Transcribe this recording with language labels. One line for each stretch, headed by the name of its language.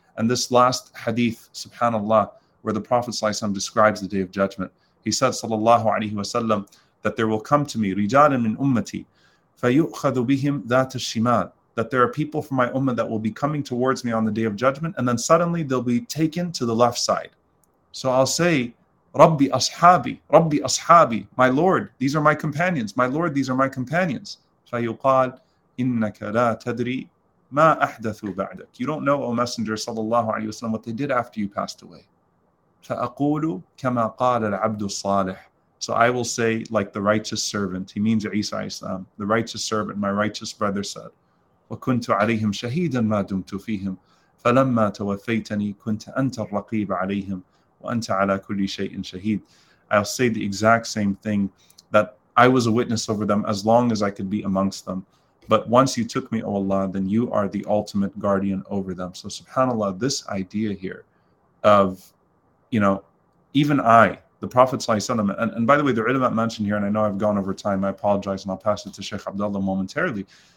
English: And this last hadith, subhanAllah, where the Prophet sallallahu alayhi wa sallam describes the Day of Judgment, he said, sallallahu alayhi wa sallam, that there will come to me,
Arabic: رِجَالٍ مِنْ أُمَّتِي فَيُؤْخَذُ بِهِمْ ذَاتَ الشِّمَالِ.
English: That there are people from my ummah that will be coming towards me on the Day of Judgment, and then suddenly they'll be taken to the left side. So I'll say,
Arabic: رَبِّ أَصْحَابِي,
English: my Lord, these are my companions, my Lord, these are my companions.
Arabic: فَيُقَالْ إنك لا تدري ما أحدثوا بعدك.
English: You don't know, O Messenger صلى الله عليه وسلم, what they did after you passed away.
Arabic: فأقول كما قال العبد الصالح.
English: So I will say like the righteous servant. He means Isa Islam, the righteous servant, my righteous brother said.
Arabic: وكنت عليهم شهيدا ما دمت فيهم فلما توفيتني كنت أنت الرقيب عليهم وأنت على كل شيء شهيد.
English: I'll say the exact same thing, that I was a witness over them as long as I could be amongst them. But once you took me, O Allah, then you are the ultimate guardian over them. So subhanAllah, this idea here of, you know, even I, the Prophet sallallahu alayhi wa sallam, and by the way, the ulama mentioned here, and I know I've gone over time, I apologize, and I'll pass it to Sheikh Abdullah momentarily.